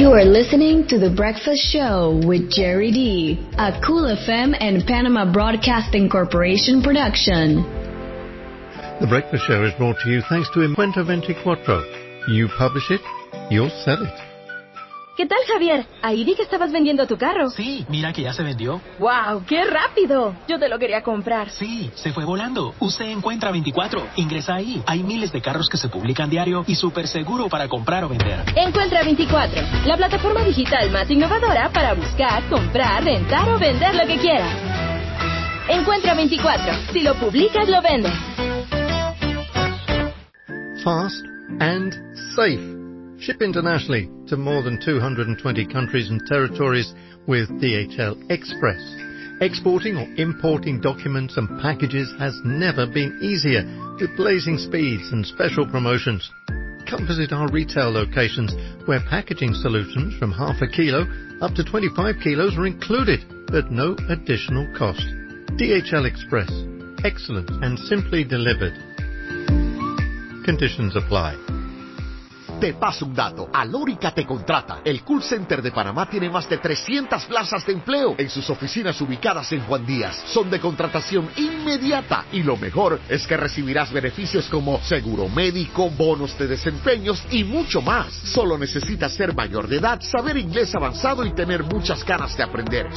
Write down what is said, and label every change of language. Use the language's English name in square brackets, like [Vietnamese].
[English] You are listening to The Breakfast Show with Jerry D, a Cool FM and Panama Broadcasting Corporation production. The Breakfast Show is brought to you thanks to Imprenta 24. You publish it, you'll sell it. [Spanish] ¿Qué tal, Javier? Ahí vi que estabas vendiendo tu carro. Sí, mira que ya se vendió. ¡Wow! ¡Qué rápido! Yo te lo quería comprar. Sí, se fue volando. Usé Encuentra 24. Ingresa ahí. Hay miles de carros que se publican diario y súper seguro para comprar o vender. Encuentra 24, la plataforma digital más innovadora para buscar, comprar, rentar o vender lo que quieras. Encuentra 24. Si lo publicas, lo vendes. [English] Fast and safe. Ship internationally to more than 220 countries and territories with DHL Express. Exporting or importing documents and packages has never been easier with blazing speeds and special promotions. Come visit our retail locations where packaging solutions from half a kilo up to 25 kilos are included at no additional cost. DHL Express. Excellent and simply delivered. Conditions apply. [Spanish] Te paso un dato. Alórica te contrata. El call center de Panamá tiene más de 300 plazas de empleo en sus oficinas ubicadas en Juan Díaz. Son de contratación inmediata y lo mejor es que recibirás beneficios como seguro médico, bonos de desempeños y mucho más. Solo necesitas ser mayor de edad, saber inglés avanzado y tener muchas ganas de aprender.